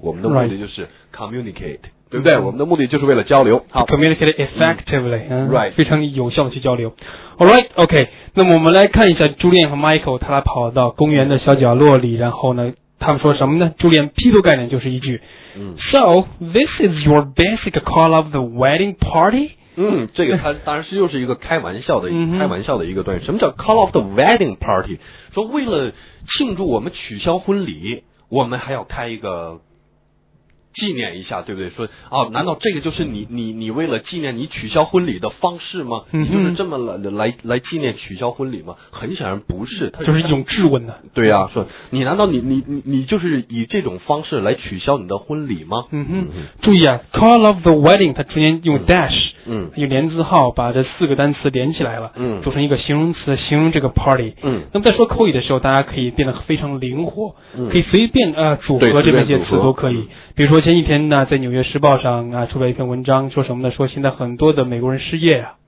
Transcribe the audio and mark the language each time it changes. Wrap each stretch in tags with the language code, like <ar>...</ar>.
<zh>我们的目的就是 communicate，</zh> <en>right，</en> <zh>对不对，嗯，我们的目的就是为了交流，好</zh> <en>communicate effectively，</en> <zh>嗯嗯，</zh> <en>right，</en> <zh>非常有效的去交流。</zh> <en>alright ok，</en> <zh>那么我们来看一下朱莉安和 Michael， 他俩跑到公园的小角落里，然后呢他们说什么呢？朱莉安劈头盖脸就是一句，嗯，</zh> <en>So this is your basic call of the wedding party？</en> <zh>嗯，这个他当然是又是一个开玩笑的，嗯，开玩笑的一个段。什么叫</zh> <en>call of the wedding party？</en> <zh>说为了庆祝我们取消婚礼，我们还要开一个纪念一下，对不对？说啊，难道这个就是你为了纪念你取消婚礼的方式吗？嗯，你就是这么来纪念取消婚礼吗？很显然不是，他就是一种质问呢。对啊，说你难道你就是以这种方式来取消你的婚礼吗？嗯哼，注意啊 ，</zh> <en>call of the wedding，</en> <zh>它中间用 dash，嗯，用连字号把这四个单词连起来了，嗯，组成一个形容词形容这个 party。嗯，那么在说口语的时候，大家可以变得非常灵活，嗯，可以随便组合这些词都可以，比如说。前几天呢，在《纽约时报》上啊，出了一篇文章，说什么呢？说现在很多的美国人失业啊，</zh>